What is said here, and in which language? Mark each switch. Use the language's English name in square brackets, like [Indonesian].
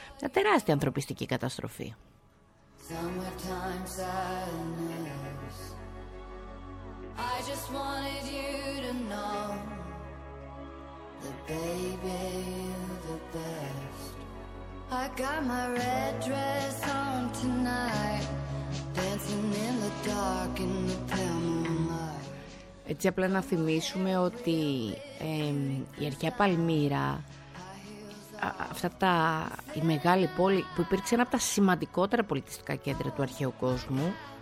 [Greek] Μια τεράστια ανθρωπιστική καταστροφή. [English] I just wanted you to know that baby, you're the best. I got my red dress on tonight, dancing in the dark in the pale moonlight. [Greek] Έτσι απλά να θυμίσουμε ότι η αρχαία Παλμύρα, αυτά τα, η μεγάλη πόλη που υπήρξε ένα από τα σημαντικότερα πολιτιστικά κέντρα του αρχαίου κόσμου,